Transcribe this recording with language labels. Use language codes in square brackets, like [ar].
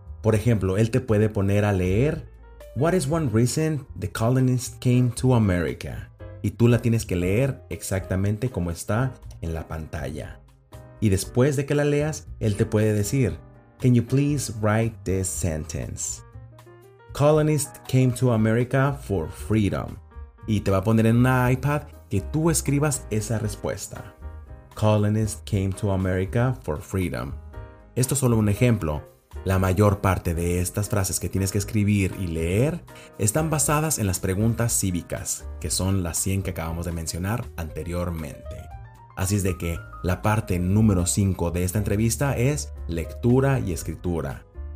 [es] Por ejemplo, él te puede poner a leer [en] What is one reason the colonists came to America? [es] Y tú la tienes que leer exactamente como está en la pantalla. Y después de que la leas, él te puede decir [en] Can you please write this sentence? Colonists came to America for freedom. [es] Y te va a poner en una iPad que tú escribas esa respuesta. [en] Colonists came to America for freedom. [es] Esto es solo un ejemplo. La mayor parte de estas frases que tienes que escribir y leer están basadas en las preguntas cívicas, que son las 100 que acabamos de mencionar anteriormente. Así es de que la parte número 5 de esta entrevista es lectura y escritura.